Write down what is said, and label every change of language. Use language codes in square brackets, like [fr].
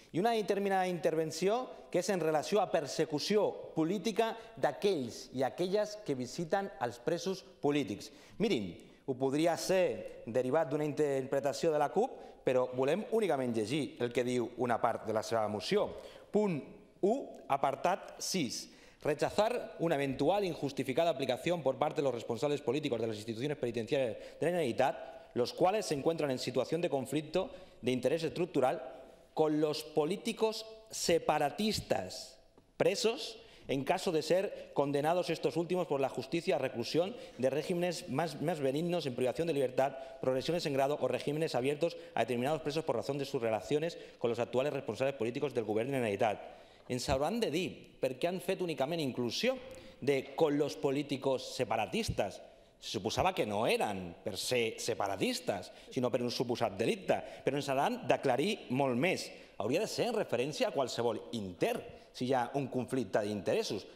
[ca] I una determinada intervenció que és en relació a persecució política d'aquells i aquelles que visiten els presos polítics. Mirin, ho podria ser derivat d'una interpretació de la CUP, però volem únicament llegir el que diu una part de la seva moció. Punt 1, apartat 6. [es] Rechazar una eventual injustificada aplicación por parte de los responsables políticos de las instituciones penitenciarias de la Generalitat, los cuales se encuentran en situación de conflicto de interés estructural con los políticos separatistas presos en caso de ser condenados estos últimos por la justicia a reclusión de regímenes más benignos en privación de libertad, progresiones en grado o regímenes abiertos a determinados presos por razón de sus relaciones con los actuales responsables políticos del Gobierno de la Generalitat. [ca] Ens hauran de dir per què han fet únicament inclusió de [es] con los políticos separatistas. [ca] Se suposava que no eren per ser separatistes, sinó per un suposat delicte. Però ens hauran d'aclarir molt més. Hauria de ser en referència a qualsevol intern, si hi ha un conflicte d'interessos.